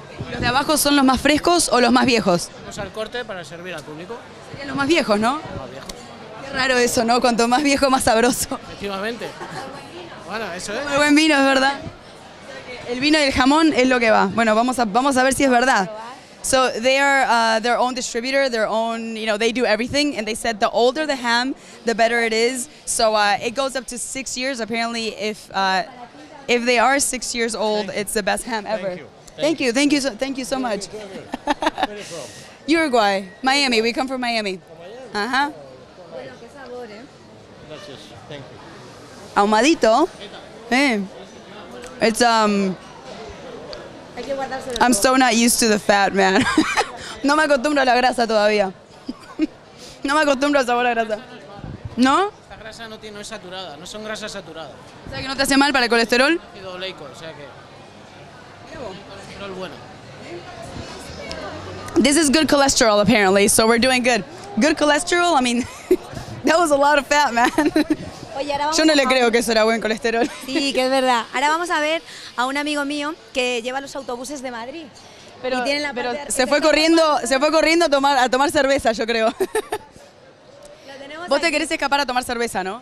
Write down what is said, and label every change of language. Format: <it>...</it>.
<es>¿Los de abajo son los más frescos o los más viejos? Vamos al corte para servir al público. Serían los más viejos, ¿no? Los más viejos. Qué raro eso, ¿no? Cuanto más viejo, más sabroso. Efectivamente. Bueno, eso es. Muy buen vino, es verdad. El vino y el jamón es lo que va. Bueno, vamos a ver si es verdad.</es> <en>So they are their own distributor, their own, you know, they do everything. And they said the older the ham, the better it is. So it goes up to 6 years. Apparently, if they are 6 years old, it's the best ham ever. Thank you so much. Where are you from? Uruguay, Miami. We come from Miami. From Miami? Uh-huh.</en> <es>Thank you. Ahumadito. Hey.</es> <en>It's, I'm so not used to the fat, man.</en> <es>No me acostumbro a la grasa todavía. No me acostumbro al sabor a grasa. ¿No? Esta grasa no tiene, no es saturada, no son grasas saturadas. O sea que no te hace mal para el colesterol. Ácido oleico, o sea que... colesterol bueno.</es> <en>This is good cholesterol, apparently, so we're doing good. Good cholesterol, I mean, that was a lot of fat, man.</en> <es>Oye, ahora vamos yo no le creo que eso era buen colesterol. Sí, que es verdad. Ahora vamos a ver a un amigo mío que lleva los autobuses de Madrid. Pero, y tiene la pero parte se, fue corriendo, se fue corriendo a tomar cerveza, yo creo. Vos aquí. Te querés escapar a tomar cerveza, ¿no?</es>